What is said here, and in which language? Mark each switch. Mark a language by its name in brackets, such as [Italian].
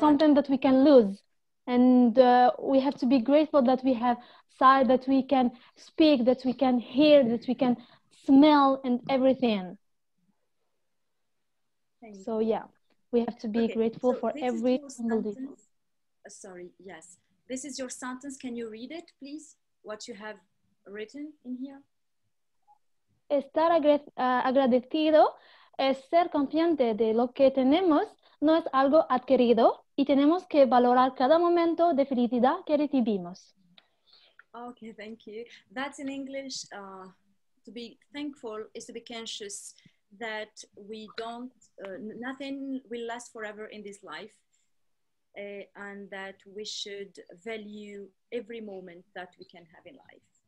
[English] Something that we can lose, and we have to be grateful that we have sight, that we can speak, that we can hear, that we can smell, and everything. So yeah. We have to be grateful for every single detail. Sorry, yes. This is your sentence. Can you read it, please? What you have written in here? [Spanish] Estar agradecido es ser consciente de lo que tenemos, no es algo adquirido, y tenemos que valorar cada momento de felicidad que recibimos. [English] Okay, thank you. That's in English. To be thankful is to be conscious that we don't, nothing will last forever in this life, and that we should value every moment that we can have in life.